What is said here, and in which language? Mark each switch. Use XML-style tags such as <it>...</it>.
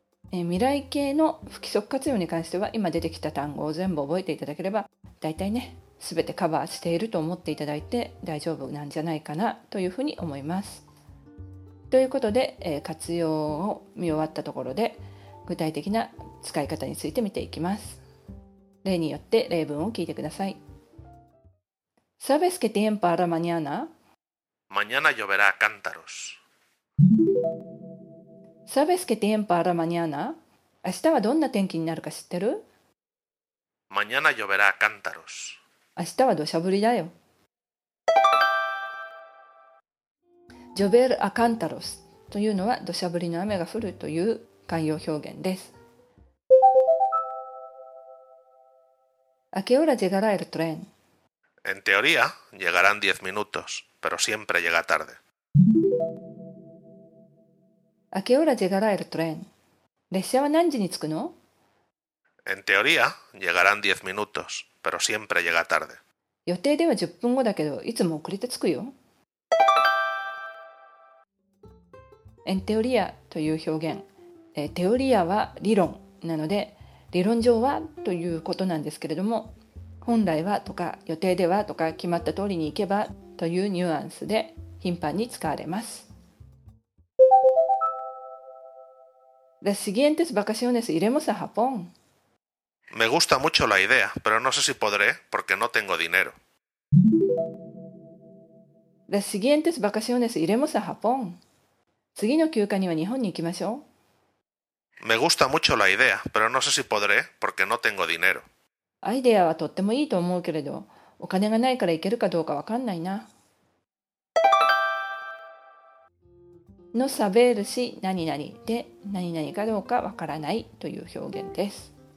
<ja>未来形の不規則活用に関しては今出てきた単語を全部覚えていただければ大体ね、全てカバーしていると思っていただいて大丈夫なんじゃないかなというふうに思います。ということで、活用を見終わったところで具体的な使い方について見ていきます。例によって例文を聞いてください。</ja> <es>¿Sabes qué tiempo hará mañana? Mañana lloverá a cántaros. ¿Sabes qué tiempo hará mañana?</es> <ja>明日はどんな天気になるか知ってる?</ja> <es>Mañana lloverá a cántaros.</es> <ja>明日は土砂降りだよ。</ja> <es>Llover a cántaros</es> <ja>というのは土砂降りの雨が降るという慣用表現です。</ja> <es>¿A qué hora llegará el tren? En teoría, llegará en 10 minutos, pero siempre llega tarde. ¿A qué hora llegará el tren?</es> <ja>列車は何時に着くの?</ja> <es>En teoría, llegará en 10 minutos, pero siempre llega tarde.</es> <ja>予定では10分後だけど、いつも遅れて着くよ。</ja> <es>En teoría</es> <ja>という表現、テオリアは理論なので、理論上はということなんですけれども、本来はとか予定ではとか決まった通りに行けばというニュアンスで頻繁に使われます。</ja> <es>Las siguientes vacaciones iremos a Japón. Me gusta mucho la idea, pero no sé si podré porque no tengo dinero. Las siguientes vacaciones iremos a Japón.</es> <ja>次の休暇には日本に行きましょう。</ja> <es>Me gusta mucho la idea, pero no sé si podré porque no tengo dinero.</es> <ja>アイデアはとってもいいと思うけれど、お金がないから行けるかどうかわかんないな。</ja> <es>No saber si</es> <ja>何々で何々かどうかわからないという表現です。</ja>